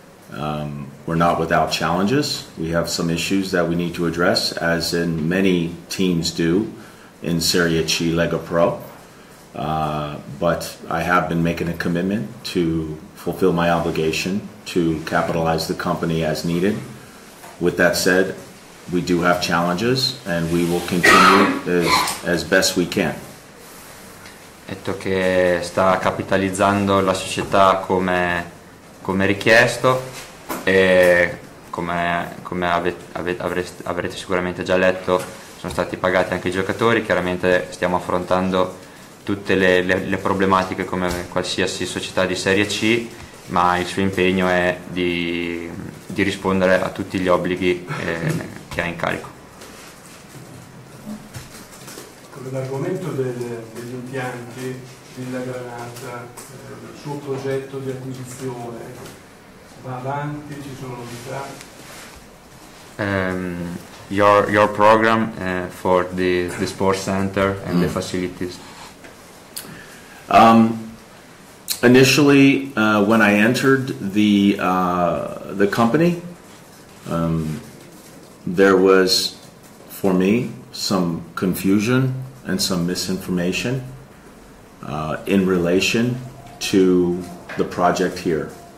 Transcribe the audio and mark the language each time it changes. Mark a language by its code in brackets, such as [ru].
[en] We're not without challenges. We have some issues that we need to address, as in many teams do in Serie C Lega Pro. But I have been making a commitment to fulfill my obligation to capitalize the company as needed. With that said, we do have challenges, and we will continue as best we can. [it] Detto che sta capitalizzando la società come richiesto, e come avrete sicuramente già letto, sono stati pagati anche i giocatori. Chiaramente stiamo affrontando tutte le problematiche come qualsiasi società di Serie C, ma il suo impegno è di rispondere a tutti gli obblighi che ha in carico. Con l'argomento degli impianti della Granata, il suo progetto di acquisizione va avanti, ci sono novità? [en] Your program for the sports center and the facilities. Initially, when I entered the company, there was, for me, some confusion and some misinformation in relation to the project here.